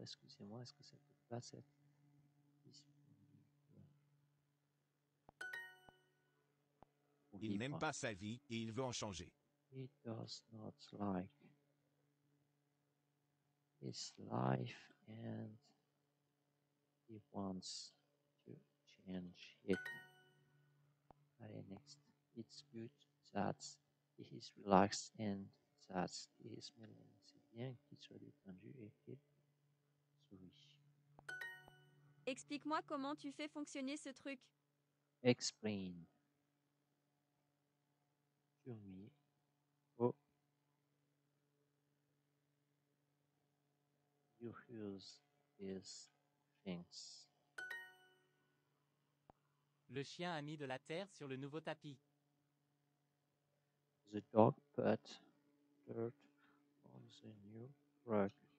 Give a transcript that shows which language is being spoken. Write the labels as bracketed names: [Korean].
[French] Excusez-moi, est-ce que cette place est disponible? Il n'aime pas sa vie et il veut en changer. [English] He does not like his life and he wants to change it. Allez, next. It's good that he is relaxed and that he is willing. [French] C'est bien qu'il soit détendu et qu'il sourit. Explique-moi comment tu fais fonctionner ce truc. [English] Explain. [French] Tu me dis. Oh. [English] You use these things. [French] Le chien a mis de la terre sur le nouveau tapis. [English] The dog put dirt on the new rug.